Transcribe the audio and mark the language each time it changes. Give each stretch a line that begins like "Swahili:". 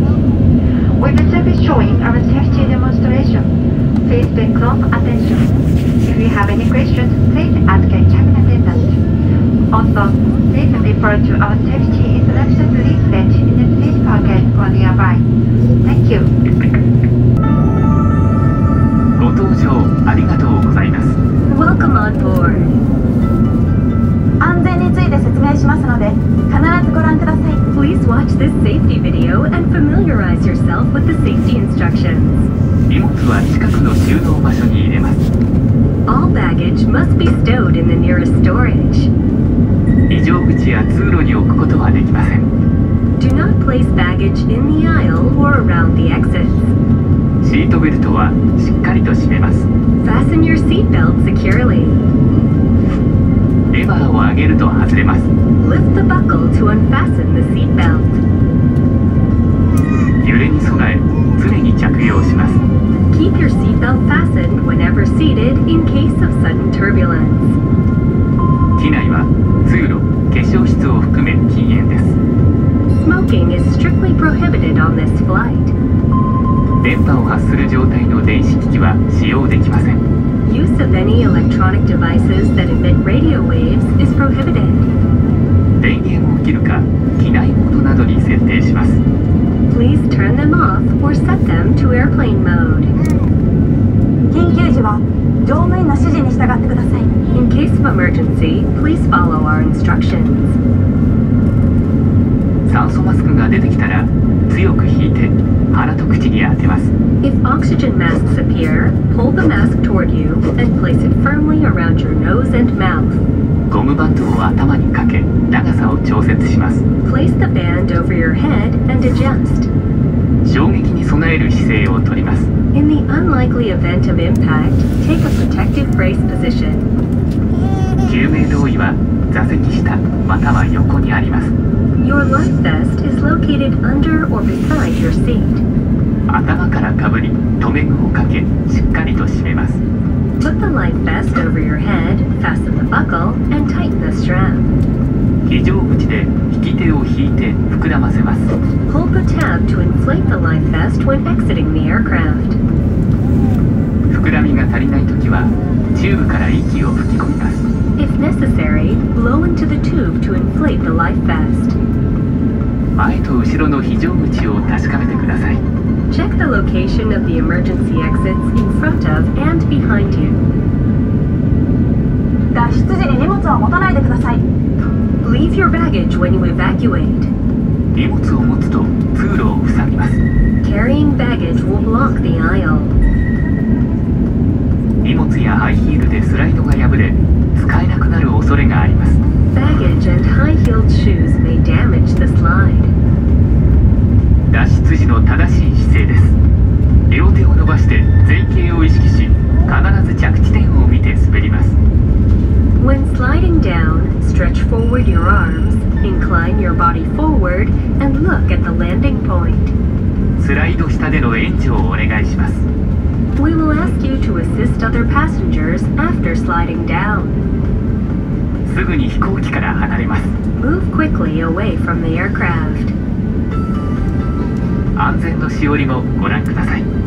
English: We will soon be showing our safety demonstration. Please pay close attention. If you have any questions, please ask a cabin attendant. Also, please refer to our safety instructions leaflet in the seat pocket or nearby. Thank you.
Japanese: ご搭乗ありがとうございます。
English: Welcome on board.
Japanese: 安全について説明しますので、必ずご覧ください。
English: Please watch this safety video and familiarize yourself with the safety instructions.
Japanese: 荷物は近くの収納場所に入れます。
English: All baggage must be stowed in the nearest storage.
Japanese: 非常口や通路に置くことはできません。
English: Do not place baggage in the aisle or around the exits.
Japanese: シートベルトはしっかりと締めます。
English: Fasten your seat belt securely.
Japanese: レバーを上げると外れます。
English: Lift the buckle to unfasten the seat belt.
Japanese: 揺れに備え、常に着用します。
English: Keep your seat belt fastened whenever seated in case of sudden turbulence.
Japanese: 機内は通路、化粧室を含め禁煙です。
English: Smoking is strictly prohibited on this flight.
Japanese: 電波を発する状態の電子機器は使用できません。
English: Use of any electronic devices that emit radio waves is prohibited.
Japanese: 電源を切るか、機内モードなどに設定します。
English: Please turn them off or set them to airplane mode.
Japanese: 緊急時は乗務員の指示に従ってください。
English: In case of emergency, please follow our instructions.
Japanese: 酸素マスクが出てきたら、強く引いて鼻と口に当てます。
English: If oxygen masks appear, pull the mask toward you and place it firmly around your nose and mouth.
Japanese: ゴムバンドを頭にかけ、長さを調節します。
English: Place the band over your head and adjust.
Japanese: 衝撃に備える姿勢をとります。
English: In the unlikely event of impact, take a protective brace position.
Japanese: 救命胴衣は座席下または横にあります。
English: Your life vest is located under or beside your seat.
Japanese: 頭からかぶり、留め具をかけ、しっかりと締めます。
English: Put the life vest over your head, fasten the buckle, and tighten the strap.
Japanese: 非常口で引き手を引いて膨らませます。
English: Pull the tab to inflate the life vest when exiting the aircraft.
Japanese: 膨らみが足りないときは、チューブから息を吹き込みます。
English: If necessary, blow into the tube to inflate the life vest.
Japanese: 前と後ろの非常口を確かめてください。
English: Check the location of the emergency exits in front of and behind you.
Japanese: 脱出時に荷物は持たないでください。
English: Leave your baggage when you evacuate.
Japanese: 荷物を持つと通路を塞ぎます。
English: Carrying baggage will block the aisle.
Japanese: 荷物やハイヒールでスライドが破れ、使えなくなる恐れがあります。
English: Baggage and high-heeled shoes may damage the slide.
Japanese: 脱出時の正しい姿勢です。両手を伸ばして前傾を意識し、必ず着地点を見て滑ります。
English: When sliding down, stretch forward your arms, incline your body forward, and look at the landing point.
Japanese: スライド下での援助をお願いします。
English: We will ask you to assist other passengers after sliding down.
Japanese: すぐに飛行機から離れます。
English: Move quickly away from the aircraft.
Japanese: 安全のしおりもご覧ください。